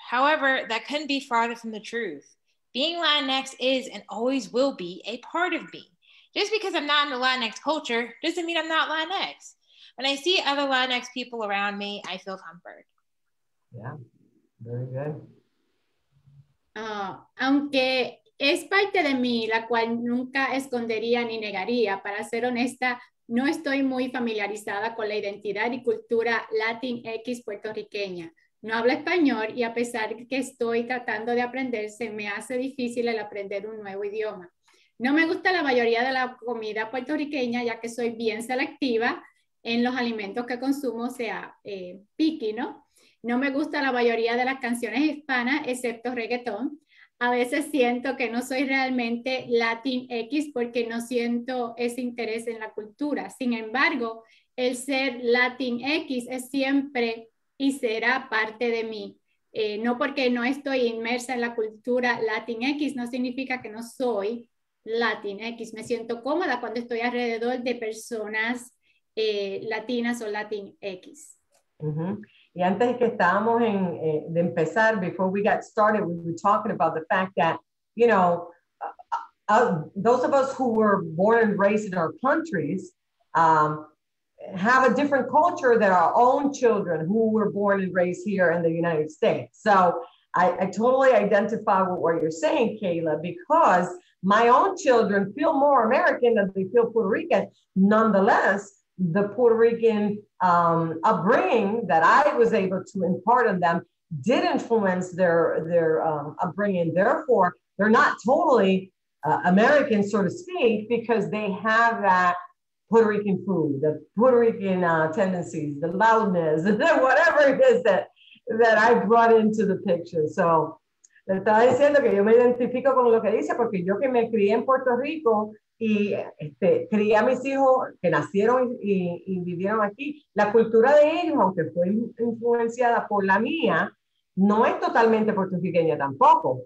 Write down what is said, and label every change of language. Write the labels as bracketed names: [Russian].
[English] However, that couldn't be farther from the truth. Being Latinx is and always will be a part of me. Just because I'm not in the Latinx culture doesn't mean I'm not Latinx. When I see other Latinx people around me, I feel comfort. Yeah, very good. [Spanish] Aunque es parte de mí, la cual nunca escondería ni negaría, para ser honesta, no estoy muy familiarizada con la identidad y cultura Latinx puertorriqueña. No hablo español y a pesar que estoy tratando de aprender, se me hace difícil el aprender un nuevo idioma. No me gusta la mayoría de la comida puertorriqueña, ya que soy bien selectiva en los alimentos que consumo, sea picky, ¿no? No me gusta la mayoría de las canciones hispanas, excepto reggaetón. A veces siento que no soy realmente Latinx porque no siento ese interés en la cultura. Sin embargo, el ser Latinx es siempre y será parte de mí. No porque no estoy inmersa en la cultura Latinx, no significa que no soy Latinx. Me siento cómoda cuando estoy alrededor de personas latinas o Latinx. Y antes que estábamos en de empezar, [English] before we got started, we were talking about the fact that, you know, those of us who were born and raised in our countries have a different culture than our own children who were born and raised here in the United States. So I totally identify with what you're saying, Kayla, because my own children feel more American than they feel Puerto Rican. Nonetheless, the Puerto Rican upbringing that I was able to impart on them did influence their upbringing. Therefore, they're not totally American, so to speak, because they have that Puerto Rican food, the Puerto Rican tendencies, the loudness, whatever it is that I brought into the picture. [Spanish] So, le estaba diciendo que yo me identifico con lo que dice, porque yo que me crié en Puerto Rico, y crié a mis hijos que nacieron y vivieron aquí. La cultura de ellos, aunque fue influenciada por la mía, no es totalmente puertorriqueña tampoco.